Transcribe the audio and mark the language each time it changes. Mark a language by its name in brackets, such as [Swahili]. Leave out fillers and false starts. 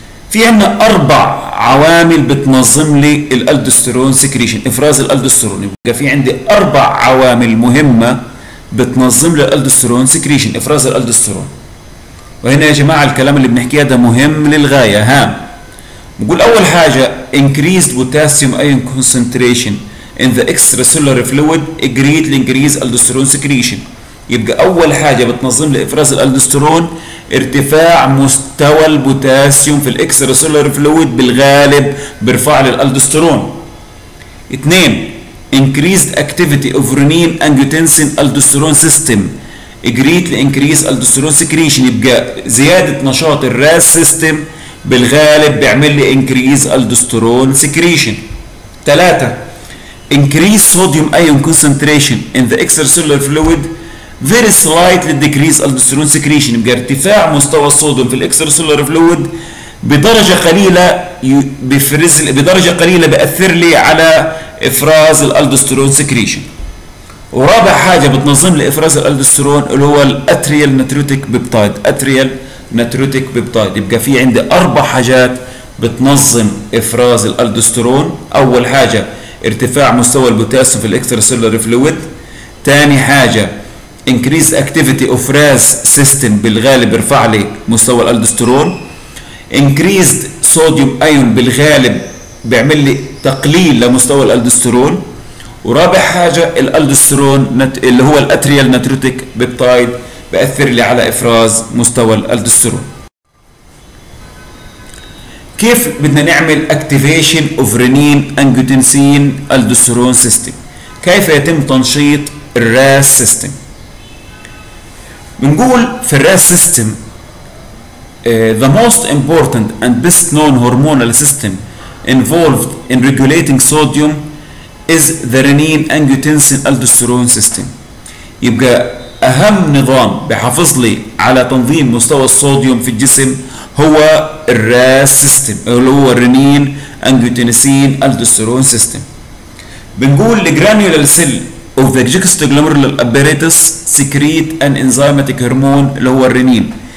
[Arabic] في عندنا اربع عوامل بتنظم لي الالدوستيرون سكريشن، افراز الالدوستيرون. يبقى في عندي اربع عوامل مهمه بتنظم لي الالدوستيرون سكريشن، افراز الالدوستيرون. وهنا يا جماعه الكلام اللي بنحكيه ده مهم للغايه، هام. بقول اول حاجه [English] increased potassium ion concentration in the extracellular fluid greatly increase aldosterone secretion. [Arabic] يبقى اول حاجه بتنظم لي افراز الالدوستيرون ارتفاع مستوى البوتاسيوم في الاكستراسيلولر فلويد، بالغالب بيرفع لي الالدوستيرون. [English] 2 increased activity of renin angiotensin aldosterone system greatly increase aldosterone secretion. [Arabic] يبقى زياده نشاط الراس سيستم بالغالب بيعمل لي [English] increase aldosterone secretion. 3 increased sodium ion concentration in the extracellular fluid very slightly decrease aldosterone secretion. [Arabic] يبقى ارتفاع مستوى الصوديوم في الاكستراسيلولر فلويد بدرجه قليله بيفرز بدرجه قليله بياثر لي على افراز الالدوستيرون سكريشن. ورابع حاجه بتنظم لي افراز الالدوستيرون اللي هو الاتريال نيتروتيك بيبتايد، اتريال نيتروتيك بيبتايد. يبقى في عندي اربع حاجات بتنظم افراز الالدوستيرون. اول حاجه ارتفاع مستوى البوتاسيوم في الاكستراسيلولر فلويد، ثاني حاجه [English] increase activity of RAS system [Arabic] بالغالب يرفع لي مستوى الالدوستيرون، [English] increased sodium ion [Arabic] بالغالب بيعمل لي تقليل لمستوى الالدوستيرون، ورابع حاجه الالدوستيرون اللي هو الاتريال نيتروتيك بيبتايد بأثر لي على افراز مستوى الالدوستيرون. كيف بدنا نعمل [English] activation of renin angiotensin aldosterone system؟ [Arabic] كيف يتم تنشيط الRAS system؟ [English] بنقول في الRAS system the most important and best known hormonal system involved in regulating sodium is the renin angiotensin aldosterone system. [Arabic] يبقى أهم نظام بحافظ لي على تنظيم مستوى الصوديوم في الجسم هو الRAS system اللي هو الرنين أنجيوتينسين الدوسترون سيستم. بنقول الجرانيولر سيل أو [English] the juxtaglomerular apparatus secrete an enzymatic [Arabic] هرمون اللي هو الرنين.